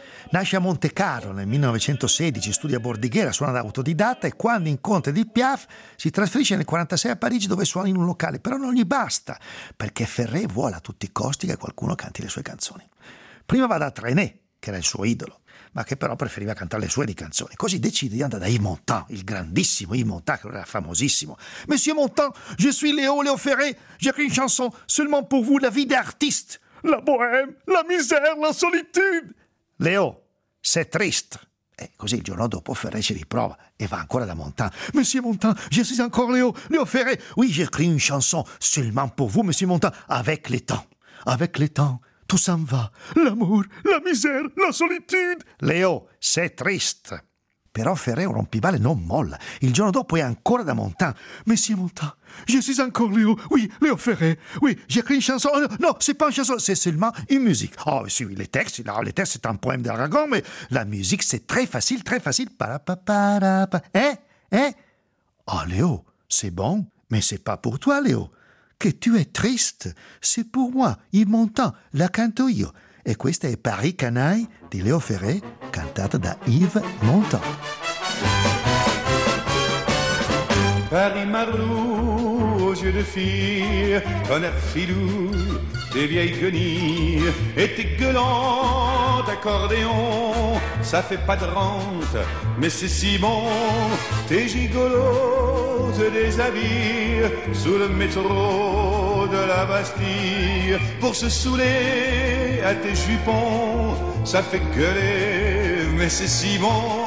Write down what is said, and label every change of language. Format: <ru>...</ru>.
<it>Nasce a Monte Carlo nel 1916, studia Bordighera, suona da autodidatta e quando incontra Edith Piaf si trasferisce nel 1946 a Parigi, dove suona in un locale. Però non gli basta, perché Ferré vuole a tutti i costi che qualcuno canti le sue canzoni. Prima va da Trainé, che era il suo idolo, ma che però preferiva cantare le sue di canzoni. Così decide di andare da Yves Montand, il grandissimo Yves Montand, che era famosissimo.</it> <fr>Monsieur Montand, je suis Léo, Léo Ferré, j'écris une chanson seulement pour vous, la vie d'artiste, la bohème, la misère, la solitude. Léo, c'est triste.</fr> <it>Così il giorno dopo Ferré ci riprova e va ancora da Montand.</it> <fr>Monsieur Montand, je suis encore Léo, Léo Ferré. Oui, j'écris une chanson seulement pour vous, monsieur Montand, avec le temps. Tout s'en va, l'amour, la misère, la solitude. Léo, c'è triste.</fr> <it>Però Ferré un rompibale non molla. Il giorno dopo è ancora da Montand. Monsieur Montand, je suis encore Léo. Oui, Léo Ferré. Oui, j'écris une chanson.</it> <fr>Oh, non, c'est pas une chanson, c'est seulement une musique. Oh, si, oui, les textes, là, les textes, c'est un poème d'Aragon, mais la musique, c'est très facile, très facile. Parapaparapa. Hein? Hein? Ah, oh, Léo, c'est bon, mais c'est pas pour toi, Léo. Che tu es triste, c'est pour moi,</fr> <it>il Montand, la canto io. E questa è Paris Canaille di Léo Ferré, cantata da Yves Montand.</it> <fr>Paris Marlou, aux yeux de fille, ton air filou, des vieilles guenilles, et tes gueulantes accordéons, ça fait pas de rente, mais c'est si bon, tes gigoloses des habits, sous le métro de la Bastille, pour se saouler à tes jupons, ça fait gueuler, mais c'est si bon.</fr>